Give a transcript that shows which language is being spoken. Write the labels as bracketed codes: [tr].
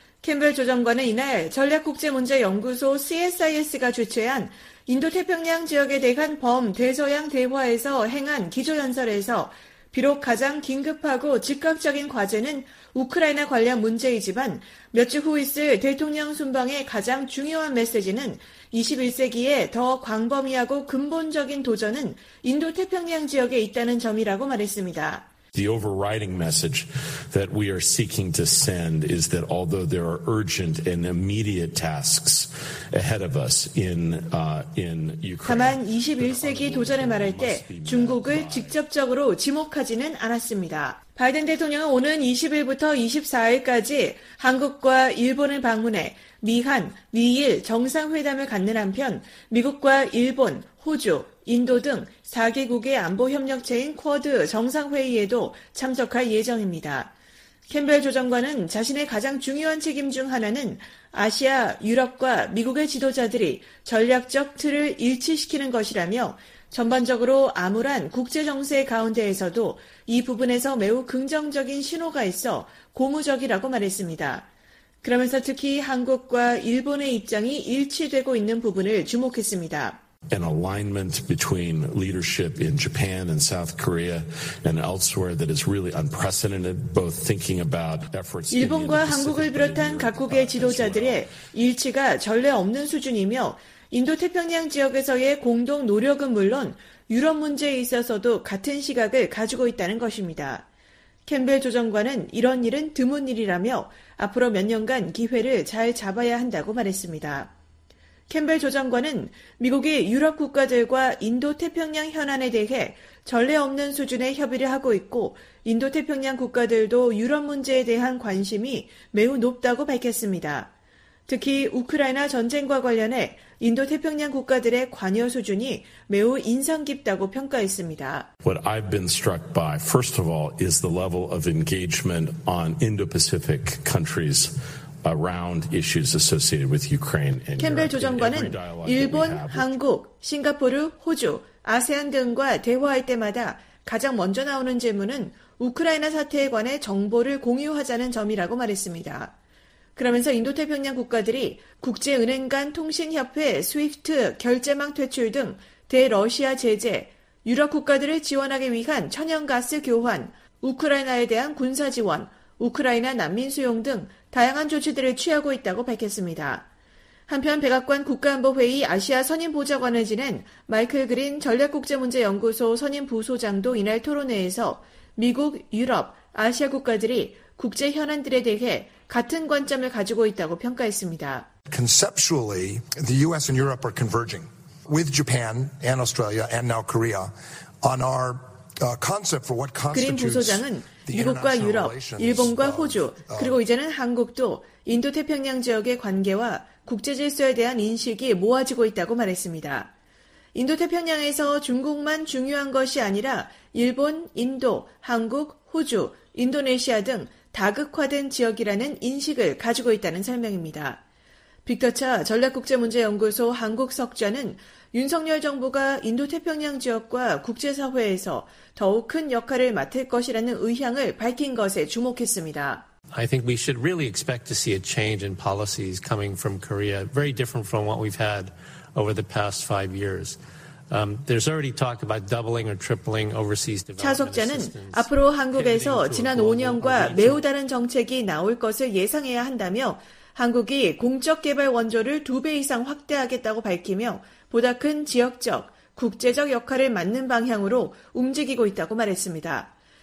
[ko] 캠벨 조정관은 이날 전략국제문제연구소 CSIS가 주최한 인도태평양 지역에 대한 범 대서양 대화에서 행한 기조연설에서 비록 가장 긴급하고 즉각적인 과제는 우크라이나 관련 문제이지만 몇 주 후 있을 대통령 순방의 가장 중요한 메시지는 21세기에 더 광범위하고 근본적인 도전은 인도태평양 지역에 있다는 점이라고 말했습니다. [en] The overriding message that we are seeking to send is that although there are urgent and immediate tasks ahead of us in Ukraine. [ko] 다만 21세기 도전을 말할 때 중국을 직접적으로 지목하지는 않았습니다. 바이든 대통령은 오는 20일부터 24일까지 한국과 일본을 방문해 미한, 미일 정상회담을 갖는 한편 미국과 일본, 호주, 인도 등 4개국의 안보협력체인 쿼드 정상회의에도 참석할 예정입니다. 캠벨 조정관은 자신의 가장 중요한 책임 중 하나는 아시아, 유럽과 미국의 지도자들이 전략적 틀을 일치시키는 것이라며 전반적으로 암울한 국제정세 가운데에서도 이 부분에서 매우 긍정적인 신호가 있어 고무적이라고 말했습니다. 그러면서 특히 한국과 일본의 입장이 일치되고 있는 부분을 주목했습니다. [en] An alignment between leadership in Japan and South Korea and elsewhere that is really unprecedented, both thinking about efforts. [ko] 일본과 한국을 비롯한 각국의 지도자들의 일치가 전례 없는 수준이며 인도태평양 지역에서의 공동 노력은 물론 유럽 문제에 있어서도 같은 시각을 가지고 있다는 것입니다. 캠벨 조정관은 이런 일은 드문 일이라며 앞으로 몇 년간 기회를 잘 잡아야 한다고 말했습니다. 캠벨 조정관은 미국이 유럽 국가들과 인도태평양 현안에 대해 전례 없는 수준의 협의를 하고 있고 인도태평양 국가들도 유럽 문제에 대한 관심이 매우 높다고 밝혔습니다. 특히 우크라이나 전쟁과 관련해 인도태평양 국가들의 관여 수준이 매우 인상 깊다고 평가했습니다. [en] What I've been struck by, first of all, is the level of engagement on Indo-Pacific countries around issues associated with Ukraine. [ko] 캠벨 조정관은 일본, 한국, 싱가포르, 호주, 아세안 등과 대화할 때마다 가장 먼저 나오는 질문은 우크라이나 사태에 관해 정보를 공유하자는 점이라고 말했습니다. 그러면서 인도태평양 국가들이 국제은행 간 통신협회 스위프트 결제망 퇴출 등 대러시아 제재, 유럽 국가들을 지원하기 위한 천연가스 교환, 우크라이나에 대한 군사 지원, 우크라이나 난민 수용 등 다양한 조치들을 취하고 있다고 밝혔습니다. 한편 백악관 국가안보회의 아시아 선임보좌관을 지낸 마이클 그린 전략국제문제연구소 선임부소장도 이날 토론회에서 미국, 유럽, 아시아 국가들이 국제 현안들에 대해 같은 관점을 가지고 있다고 평가했습니다. [en] Conceptually, the US and Europe are converging with Japan and Australia and now Korea on our concept for what constitutes. [ko] 그린 부소장은 미국과 유럽, 일본과 호주, 그리고 이제는 한국도 인도태평양 지역의 관계와 국제 질서에 대한 인식이 모아지고 있다고 말했습니다. 인도태평양에서 중국만 중요한 것이 아니라 일본, 인도, 한국, 호주, 인도네시아 등 다극화된 지역이라는 인식을 가지고 있다는 설명입니다. 빅터차 전략국제문제연구소 한국석좌는 윤석열 정부가 인도태평양 지역과 국제사회에서 더욱 큰 역할을 맡을 것이라는 의향을 밝힌 것에 주목했습니다. [en] I think we should really expect to see a change in policies coming from Korea, very different from what we've had over the past five years. There's already talk about doubling or tripling overseas development. [ko] 차석자는 앞으로 한국에서 지난 5년과 매우 다른 정책이 나올 것을 예상해야 한다며 한국이 공적 개발 원조를 2배 이상 확대하겠다고 밝히며 보다 큰 지역적, 국제적 역할을 맡는 방향으로 움직이고 있다고 말했습니다.